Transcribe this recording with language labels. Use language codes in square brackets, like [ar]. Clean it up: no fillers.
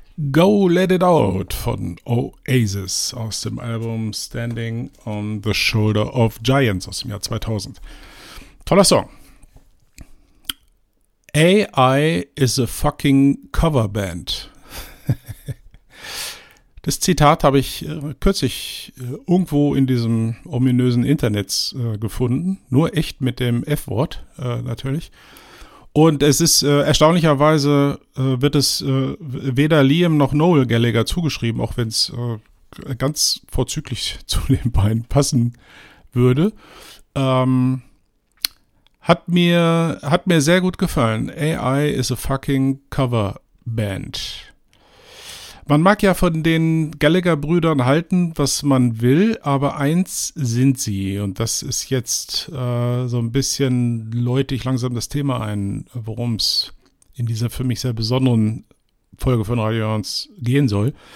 [de] Go Let It Out von Oasis aus dem Album Standing on the Shoulder of Giants aus dem Jahr 2000. Toller Song. [en] AI is a fucking cover band. [de] Das Zitat habe ich kürzlich irgendwo in diesem ominösen Internet gefunden. Nur echt mit dem F-Wort natürlich. Und es ist erstaunlicherweise, wird es weder Liam noch Noel Gallagher zugeschrieben, auch wenn es ganz vorzüglich zu den beiden passen würde. Hat mir sehr gut gefallen. [en] AI is a fucking cover band. [de] Man mag ja von den Gallagher-Brüdern halten, was man will, aber eins sind sie. Und das ist jetzt so ein bisschen, läute ich langsam das Thema ein, worum es in dieser für mich sehr besonderen Folge von Radio Hörns gehen soll.